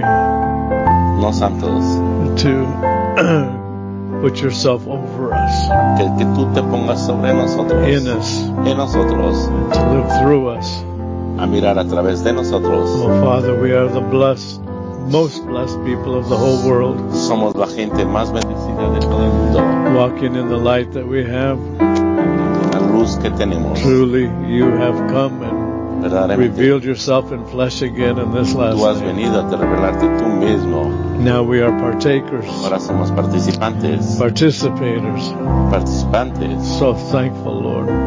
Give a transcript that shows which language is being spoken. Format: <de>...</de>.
<es>no santos,</es> <en>to put yourself over us,</en> <es>que tú te pongas sobre nosotros,</es> <en>in us,</en> <es>en nosotros,</es> <en>to live through us,</en> <es>a mirar a través de nosotros.</es> <en>Oh Father, we are the blessed, most blessed people of the whole world.</en> <es>Somos la gente más bendecida de todo el mundo.</es> <en>Walking in the light that we have,</en> <es>la luz que tenemos.</es> <en>Truly, you have come and revealed yourself in flesh again in this last</en> <es>day. Tú has venido a te revelarte tú mismo.</es> <en>Now we are partakers.</en> <es>Ahora somos participantes.</es> <en>Participators.</en> <es>Participantes.</es> <en>So thankful, Lord.</en>